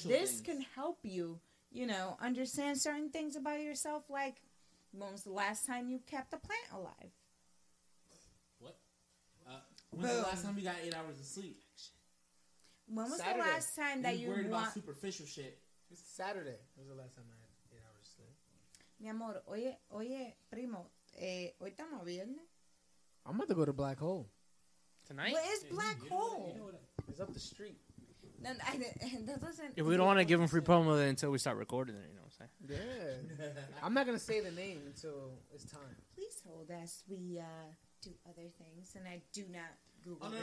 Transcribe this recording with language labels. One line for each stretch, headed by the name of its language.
English: This can help you, you know, understand certain things about yourself, like when was the last time you kept a plant alive? What? When was the last time you got 8 hours of sleep? When was the last time that you worried about superficial shit? Saturday. When was the last time I had 8 hours of sleep?
Spanish: Mi amor, oye, primo, hoy estamos viernes.
English: I'm about to go to Black Hole. Tonight? Well, it's Black Hole. It's up the street. No, that doesn't. If we don't want to give him free promo, then until we start recording it, you know what I'm saying? Yeah. I'm not going to say the name until it's time. Please hold us. We do other things, and I do not Google this.